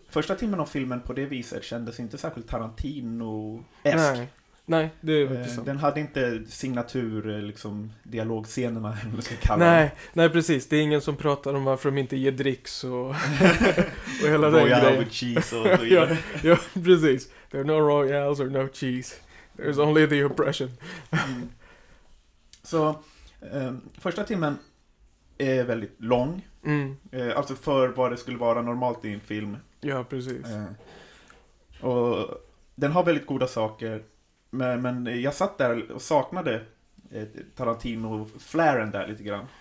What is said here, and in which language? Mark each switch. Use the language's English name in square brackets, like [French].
[Swedish] Första timmen av filmen på det viset kändes inte särskilt Tarantino-esk. Nej, Nej, det är inte den hade inte signatur liksom dialogscenerna eller så kallade. Nej, nej precis, det är ingen som pratar om varför de inte ger dricks och och hela den grejen. Royale with cheese och så. Ja, ja, precis. [English] There are no royals or no cheese. There's only the oppression. [Swedish] Så första timmen är väldigt lång. Mm. Alltså för vad det skulle vara normalt i en film. Ja, precis. Och den har väldigt goda saker. Men jag satt där och saknade Tarantino-flaren där lite grann.